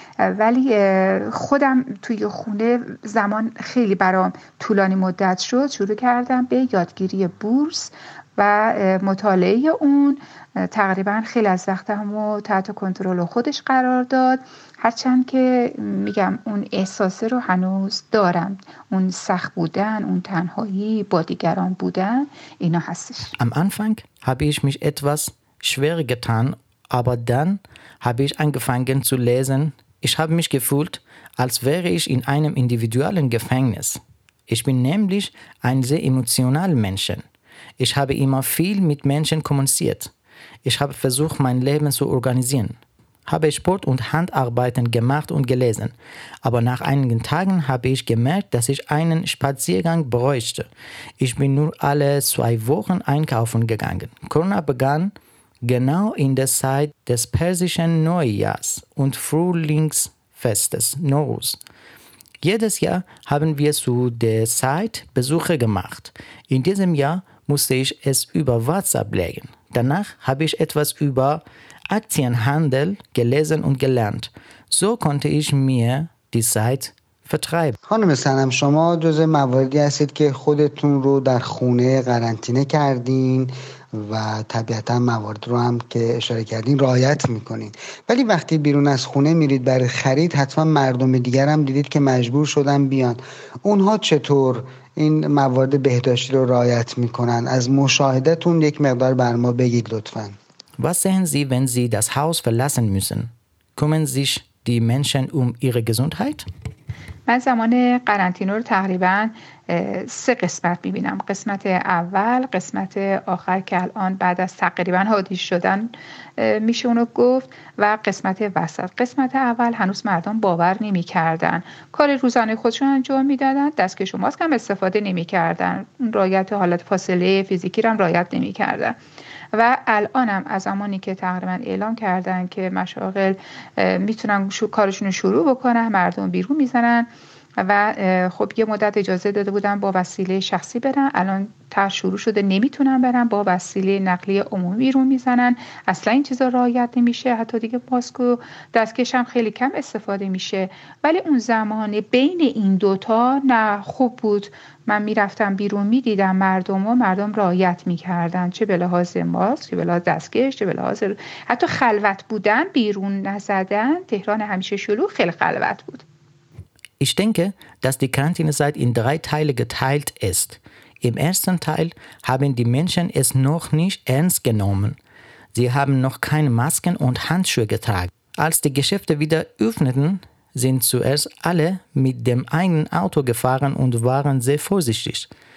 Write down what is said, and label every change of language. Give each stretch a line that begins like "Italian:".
Persian: ولی خودم توی خونه زمان خیلی برام طولانی مدت شد، شروع کردم به یادگیری بورس و مطالعه اون، تقریبا خیلی از وقتم رو تحت کنترل خودش قرار داد، هرچند که میگم اون احساسه رو هنوز دارم، اون سخت بودن، اون تنهایی با دیگران بودن اینا هستش.
German: Am Anfang habe ich mich etwas schwer getan, aber dann habe ich angefangen zu lesen. Ich habe mich gefühlt, als wäre ich in einem individuellen Gefängnis. Ich bin nämlich ein sehr emotionaler Mensch. Ich habe immer viel mit Menschen kommuniziert. Ich habe versucht, mein Leben zu organisieren. Habe Sport und Handarbeiten gemacht und gelesen. Aber nach einigen Tagen habe ich gemerkt, dass ich einen Spaziergang bräuchte. Ich bin nur alle zwei Wochen einkaufen gegangen. Corona begann genau in der Zeit des persischen Neujahrs und Frühlingsfestes, Nowruz. Jedes Jahr haben wir zu der Zeit Besuche gemacht. In diesem Jahr musste ich es über WhatsApp legen. Danach habe ich etwas über Aktienhandel gelesen und gelernt. So konnte ich mir die Zeit vertreiben.
Persian: خانم سنم، شما جز مواردی هستید که خودتون رو در خونه قرنطینه کردین و طبیعتا موارد رو هم که اشاره کردین رعایت میکنین، ولی وقتی بیرون از خونه میرید برای خرید حتما مردم دیگر هم دیدید که مجبور شدن بیان، اونها چطور این موارد بهداشتی رو رعایت میکنن؟ از مشاهدتون یک مقدار بر ما بگید لطفا.
German: Was sehen Sie, wenn Sie das Haus verlassen müssen? Kümmern sich die Menschen um Ihre Gesundheit?
Persian: من زمان قرنطینه رو تقریبا سه قسمت میبینم. قسمت اول، قسمت آخر که الان بعد از تقریبا هادی شدن میشه اونو گفت و قسمت وسط. قسمت اول هنوز مردم باور نمی کردن. کار روزانه خودشون انجام میدادن، دستکش و ماسک هم استفاده نمی کردن، رعایت حالت فاصله فیزیکی رو هم رعایت نمی کردن. و الانم از زمانی که تقریبا اعلام کردن که مشاغل میتونن کارشون رو شروع بکنن، مردم بیرون میزنن و خب یه مدت اجازه داده بودن با وسیله شخصی برن، الان تر شروع شده نمیتونن برن، با وسیله نقلیه عمومی بیرون میزنن، اصلا این چیزا رعایت نمیشه، حتی دیگه ماسک و دستکش هم خیلی کم استفاده میشه. ولی اون زمان بین این دوتا نه خوب بود، من میرفتم بیرون میدیدم مردم و مردم رعایت میکردن، چه به لحاظ ماسک، چه به لحاظ دستکش، چه به لحاظ حتی خلوت بودن، بیرون نزدن. تهران همیشه شلوغ، خیلی خلوت بود.
German: Ich denke, dass die Quarantänezeit in drei Teile geteilt ist. Im ersten Teil haben die Menschen es noch nicht ernst genommen. Sie haben noch keine Masken und Handschuhe getragen. Als die Geschäfte wieder öffneten, sind zuerst alle mit dem eigenen Auto gefahren und waren sehr vorsichtig.